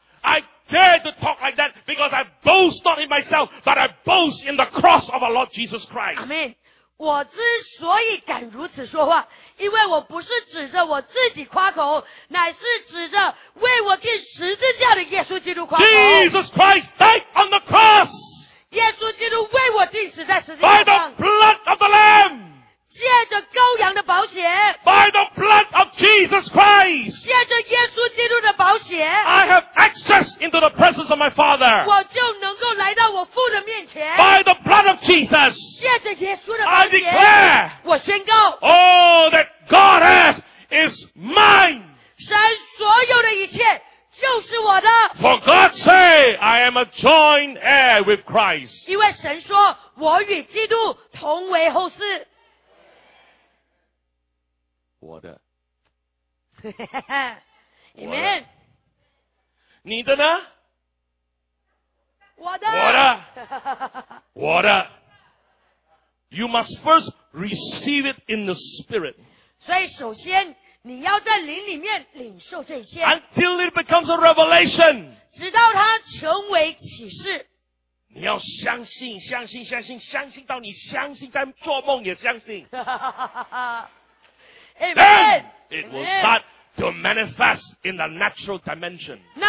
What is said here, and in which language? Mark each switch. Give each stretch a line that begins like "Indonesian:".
English: I dare to talk like that because I boast not in myself, but I boast in the cross of our Lord Jesus Christ. Amen.
Chinese: 我之所以敢如此说话，因为我不是指着我自己夸口，乃是指着为我钉十字架的耶稣基督夸口。
English: Jesus Christ died on the cross.
Chinese: 耶稣基督为我钉死在十字架上。
English: By the blood of the Lamb.
Chinese: 借着羔羊的宝血。
English: By the blood of Jesus Christ.
Chinese: 借着耶稣基督的宝血。
English: I have access into the presence of my Father.
Chinese: 我就能够来到我父的面前。
English: By the blood of Jesus.
Chinese: 借着耶稣的宝血。
English: I declare.
Chinese: 我宣告。
English: All that God has is mine.
Chinese: 神所有的一切就是我的。
English: For God say, I am a joint heir with Christ.
Chinese: 因为神说，我与基督同为后嗣。我的，
English: Amen.
Chinese: 你的呢? 我的! 我的!我的!
English: You must first receive it in the spirit.
Chinese: 所以首先, 你要在灵里面领受这些,
English: Until it becomes a revelation.
Chinese: 直到它成为启示。你要相信到你相信在做梦也相信。
English: Amen. It will start to manifest in the natural dimension.